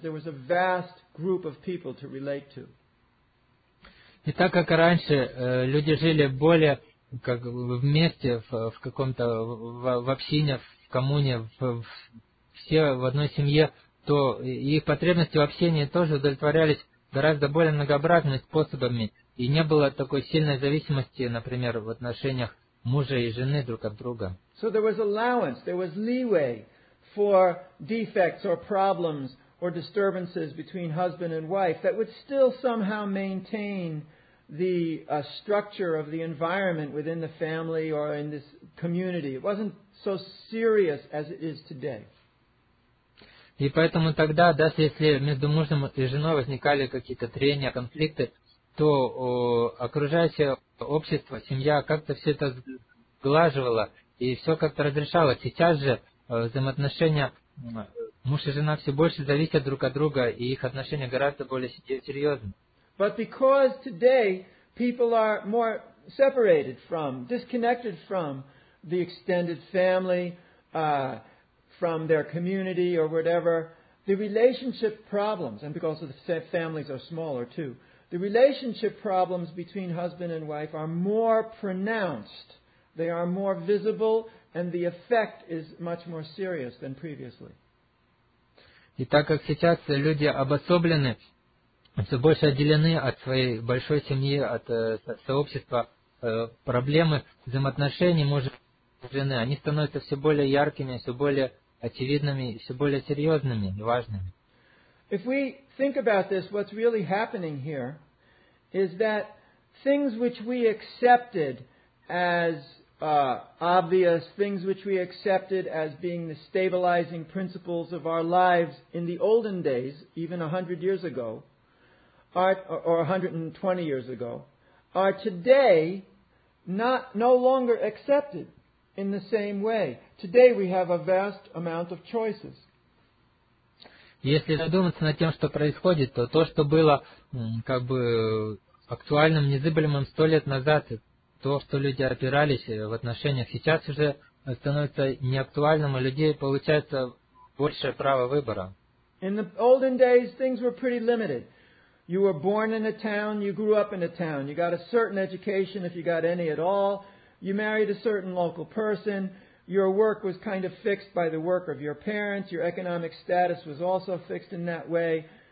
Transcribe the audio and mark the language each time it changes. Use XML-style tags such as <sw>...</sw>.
<en>There was a vast group of people to relate to.</en> <ru>И так как раньше люди жили более как вместе в каком-то в общине, в коммуне, все в одной семье, то их потребности в общении тоже удовлетворялись гораздо более многообразными способами, и не было такой сильной зависимости, например, в отношениях мужа и жены друг от друга.</ru> <en>So there was allowance, there was leeway for defects or problems or disturbances between husband and wife that would still somehow maintain the structure of the environment within the family or in this community. It wasn't so serious as it is today.</en> <ru>И поэтому тогда, даже если между мужем и женой возникали какие-то трения, конфликты, то окружающее общество, семья как-то все это сглаживало и все как-то разрешало. Сейчас же взаимоотношения муж и жена все больше зависят друг от друга, и их отношения гораздо более серьезны.</ru> <en>But because today people are more separated from, disconnected from the extended family, from their community or whatever, the relationship problems, and because of the families are smaller too, the relationship problems between husband and wife are more pronounced. They are more visible, and the effect is much more serious than previously.</en> <ru>И так как сейчас люди обособлены, все больше отделены от своей большой семьи, от сообщества, проблемы взаимоотношений мужа и жены, они становятся все более яркими, все более очевидными, все более серьезными и важными.</ru> <en>If we think about this, what's really happening here is that things which we accepted as obvious, things which we accepted as being the stabilizing principles of our lives in the olden days, even 100 years ago, or 120 years ago, are today no longer accepted in the same way. Today we have a vast amount of choices.</en> <ru>Если задуматься над тем, что происходит, то то, что было как бы актуальным, незыблемым 100 лет назад, то, что люди опирались в отношениях, сейчас уже становится неактуальным, и у людей получается большее право выбора.</ru> <en>In the olden days, things were pretty limited. You were born in a town, you grew up in a town. You got a certain education, if you got any at all. You married a certain local person. Your work was kind of fixed by the work of your parents. Your economic status was also fixed in that way.</en>